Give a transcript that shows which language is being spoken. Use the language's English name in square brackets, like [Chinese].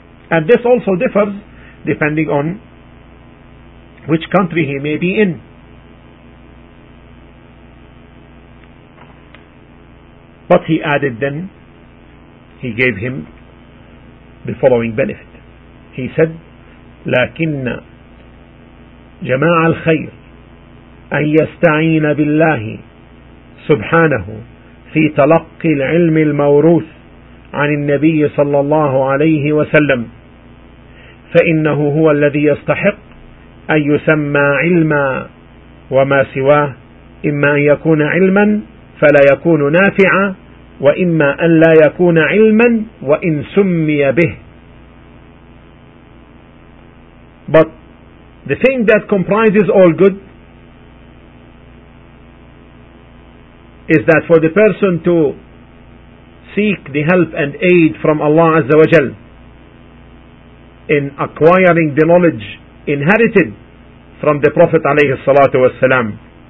[English] And this also differs depending on which country he may be in. But he added, then he gave him the following benefit. He said, [Arabic] لكن جماع الخير أن يستعين بالله سبحانه في تلقي العلم الموروث عن النبي صلى الله عليه وسلم فإنه هو الذي يستحق أن يسمى علما, وما سواه إما أن يكون علما فلا يكون نافعا, وَإِمَّا أَنْ لَا يَكُونَ عِلْمًا وَإِنْ سُمِّيَ بِهِ. [English] But the thing that comprises all good is that for the person to seek the help and aid from Allah Azza wa Jal in acquiring the knowledge inherited from the Prophet alayhi salatu wa salam,